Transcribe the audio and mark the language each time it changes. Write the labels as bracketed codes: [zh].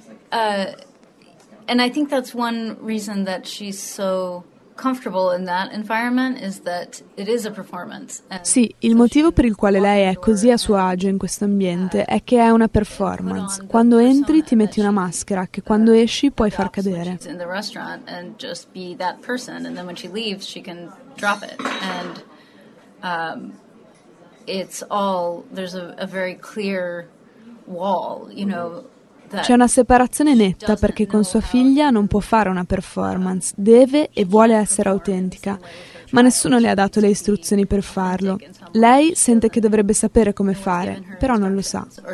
[en] And I think that's one reason that she's so comfortable in that environment is that it is a performance. [it] Sì, il motivo per il quale lei è così a suo agio in questo ambiente è che è una performance. Quando entri ti metti una maschera che quando esci puoi far cadere. [en] In the restaurant and just be that person, and then when she leaves she can drop it. And there's a very clear wall, you know. [it] C'è una separazione netta perché con sua figlia non può fare una performance, deve e vuole essere autentica, ma nessuno le ha dato le istruzioni per farlo. Lei sente che dovrebbe sapere come fare, però non lo sa.